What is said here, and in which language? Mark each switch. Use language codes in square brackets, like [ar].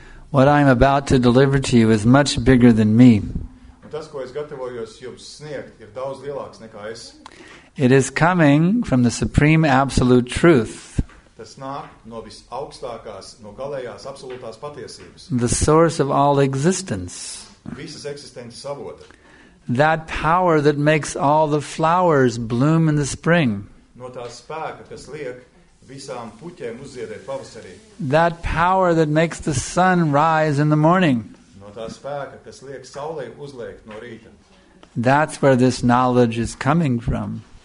[en] What I am about to deliver to you is much bigger than me. It is coming from the supreme absolute truth. [lv] Tas nāk no visaugstākās, no galējās absolūtās patiesības. [en] The source of all existence. [lv] Visas eksistences avota. [en] That power that makes all the flowers bloom in the spring. [lv] No tā spēka, kas liek visām puķēm uzziedēt pavasarī. [en] That power that makes the sun rise in the morning. [lv] No tā spēka, kas liek saulei uzliekt no rīta. [en] That's where this knowledge is coming from.